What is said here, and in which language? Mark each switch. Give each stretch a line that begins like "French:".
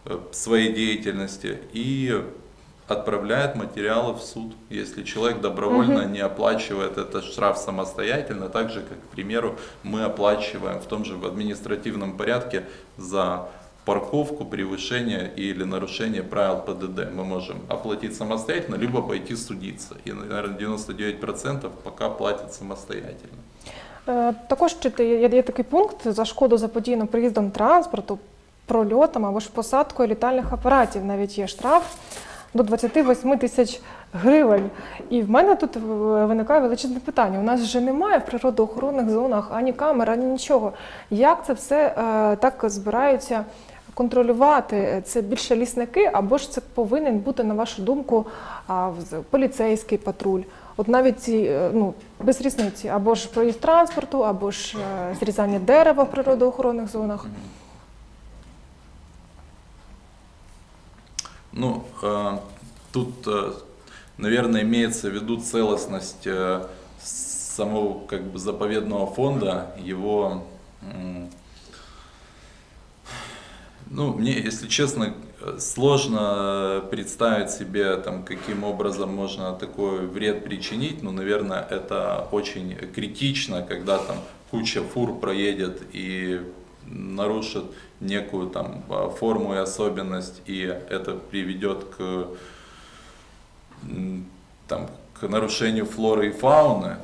Russian: своей деятельности, и отправляет материалы в суд, если человек добровольно не оплачивает этот штраф самостоятельно, так же, как, к примеру, мы оплачиваем в том же административном порядке за парковку, превышение или нарушение правил ПДД. Мы можем оплатить самостоятельно, либо пойти судиться. И, наверное, 99% пока платят самостоятельно.
Ukrainian: Також ще є такий пункт за шкоду заподіяну приїздом транспорту, прольотом або ж посадкою літальних апаратів. Навіть є штраф до 28 тисяч гривень. І в мене тут виникає величезне питання. У нас вже немає в природоохоронних зонах ані камер, ані нічого. Як це все так збираються контролювати? Це більше лісники, або ж це повинен бути, на вашу думку, поліцейський патруль? От навіть ці, ну, без різниці, або ж проїзд транспорту, або ж зрізання дерева в природоохоронних зонах.
Russian: Ну, тут, наверное, имеется в виду целостность самого, как бы, заповедного фонда, его, ну, мне, если честно, сложно представить себе, там, каким образом можно такой вред причинить, но, наверное, это очень критично, когда там куча фур проедет и нарушит некую там форму и особенность, и это приведет к, там, к нарушению флоры и фауны.